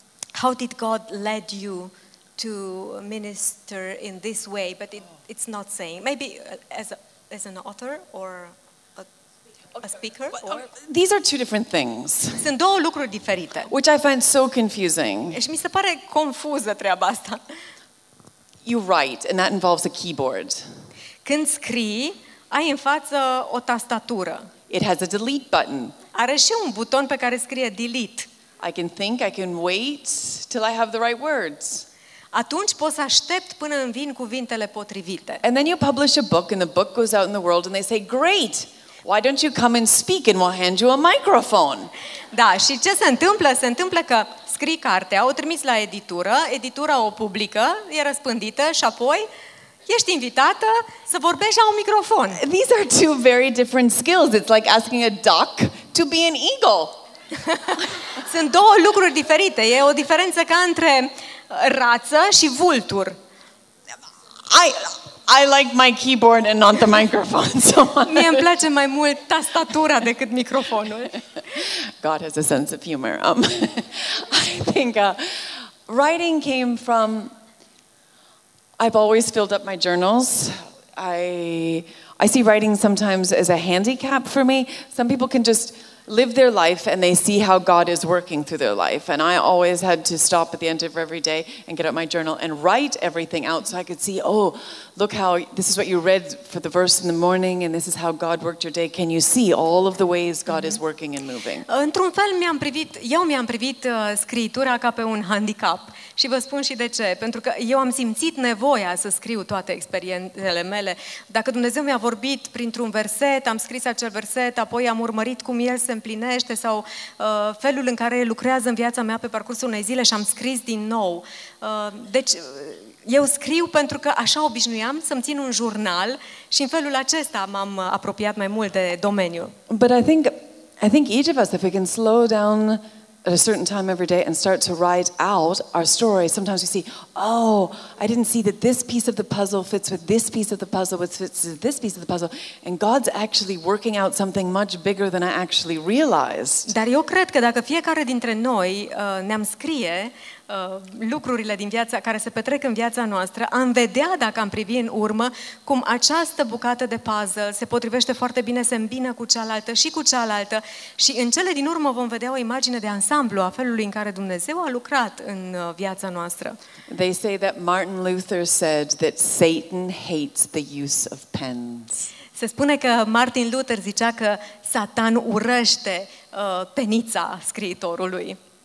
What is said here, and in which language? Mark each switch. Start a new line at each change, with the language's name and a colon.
English: How did God lead you to minister in this way, but it's not saying. Maybe as an author or a a speaker? Or? These are two different things.
Romanian: Sunt două lucruri diferite.
English: Which I find so confusing.
Romanian: Și mi se pare confuză treaba asta.
English: You write, and that involves a keyboard.
Romanian: Când scrii, ai în față o tastatură.
English: It has a delete button.
Romanian: Are și un buton pe care scrie delete.
English: I can think, I can wait till I have the right words.
Romanian: Atunci poți aștept până îmi vin cuvintele potrivite.
English: And then you publish a book and the book goes out in the world and they say, great, why don't you come and speak and we'll hand you a microphone?
Romanian: Da, și ce se întâmplă? Se întâmplă că scrii cartea, o trimiți la editură, editura o publică, e răspândită și apoi ești invitată să vorbești la un microfon.
English: These are two very different skills. It's like asking a duck to be an eagle.
Romanian: Sunt două lucruri diferite. E o diferență ca între rață și vultur.
English: I like my keyboard and not the microphone so much.
Romanian: Mie îmi place mai mult tastatura decât microfonul.
English: God has a sense of humor. I think writing came from I've always filled up my journals. I see writing sometimes as a handicap for me. Some people can just live their life and they see how God is working through their life. And I always had to stop at the end of every day and get out my journal and write everything out so I could see, oh, look how, this is what you read for the verse in the morning and this is how God worked your day. Can you see all of the ways God is working and moving?
Romanian: Într-un fel, eu mi-am privit scriitura ca pe un handicap. Și vă spun și de ce. Pentru că eu am simțit nevoia să scriu toate experiențele mele. Dacă Dumnezeu mi-a vorbit printr-un verset, am scris acel verset, apoi am urmărit cum el se împlinește sau felul în care lucrează în viața mea pe parcursul unei zile și am scris din nou. Deci eu scriu pentru că așa obișnuiam să-mi țin un jurnal și în felul acesta m-am apropiat mai mult de domeniu.
English: But I think each of us, if we can slow down at a certain time every day and start to write out our story, sometimes we see, oh, I didn't see that this piece of the puzzle fits with this piece of the puzzle, which fits with this piece of the puzzle, and God's actually working out something much bigger than I actually realized.
Romanian: Dar eu cred că dacă fiecare dintre noi ne-am scrie lucrurile din viața care se petrec în viața noastră, am vedea, dacă am privit în urmă, cum această bucată de puzzle se potrivește foarte bine, se îmbină cu cealaltă și cu cealaltă și în cele din urmă vom vedea o imagine de ansamblu a felului în care Dumnezeu a lucrat în viața noastră.
English: They say that Martin Luther said that Satan hates the use of pens.
Romanian: Se spune că Martin Luther zicea că Satan urăște penița scriitorului.